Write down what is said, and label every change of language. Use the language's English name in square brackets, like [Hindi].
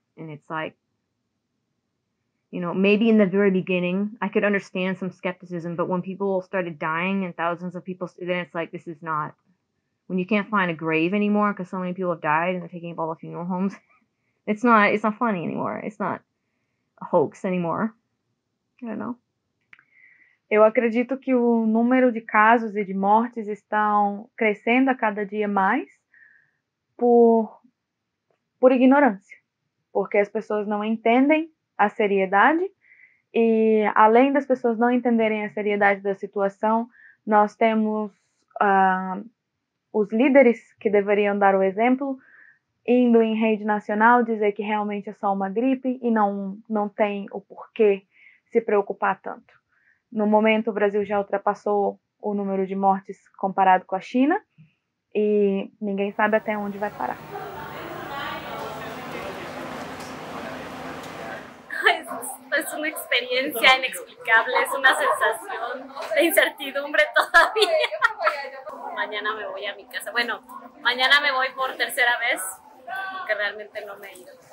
[English] And it's like, you know, maybe in the very beginning, I could understand some skepticism, but when people started dying and thousands of people, then it's like, this is not... When you can't find a grave anymore because so many people have died and they're taking up all the funeral homes, it's not funny anymore. It's not a hoax anymore. I don't know. [Portuguese] Eu acredito que o número de casos e de mortes estão crescendo a cada dia mais por ignorância, porque as pessoas não entendem a seriedade e além das pessoas não entenderem a seriedade da situação, nós temos os líderes que deveriam dar o exemplo, indo em rede nacional dizer que realmente é só uma gripe e não tem o porquê se preocupar tanto. No momento, o Brasil já ultrapassou o número de mortes comparado com a China e ninguém sabe até onde vai parar. [Spanish] Es una experiencia inexplicable, es una sensación de incertidumbre todavía. Mañana me voy a mi casa. Bueno, mañana me voy por tercera vez, porque realmente no me he ido.